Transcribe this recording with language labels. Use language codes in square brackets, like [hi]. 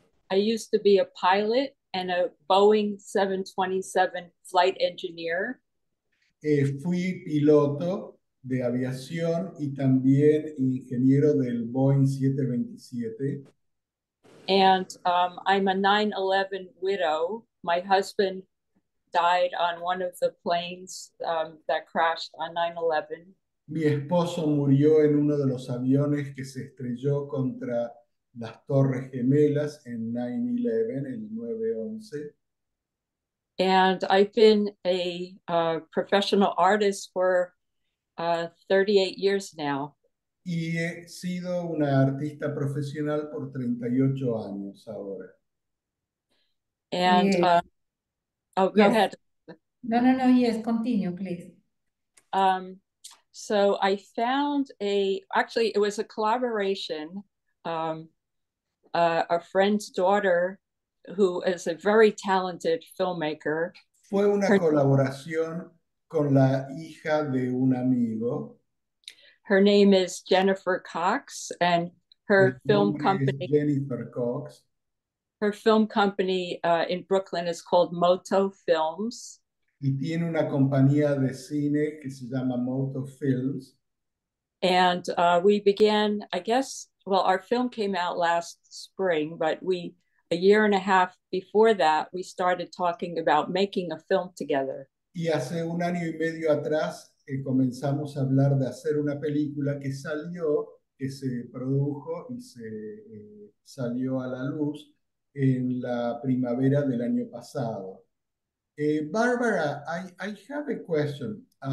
[en] I used to be a pilot and a Boeing 727 flight engineer. [es] Fui piloto de aviación y también ingeniero del Boeing 727. [en] And I'm a 9/11 widow. My husband died on one of the planes that crashed on 9/11. [es] Mi esposo murió en uno de los aviones que se estrelló contra las Torres Gemelas en 9/11, el 9/11. [en] And I've been a professional artist for 38 years now. [es] Y he sido una artista profesional por 38 años ahora. [en] And, oh, go yes. ahead. No, yes, continue, please. So I found actually it was a collaboration, a friend's daughter, who is a very talented filmmaker. [es] Fue una colaboración con la hija de un amigo. [en] Her name is Jennifer Cox, and her film company. Jennifer Cox. Her film company in Brooklyn is called Moto Films. [es] Y tiene una compañía de cine que se llama Moto Films. [en] And we began, I guess, well, our film came out last spring, but we, a year and a half before that, we started talking about making a film together. [es] Y hace un año y medio atrás comenzamos a hablar de hacer una película que salió, que se produjo y se salió a la luz en la primavera del año pasado. [en] Bárbara, I have a question.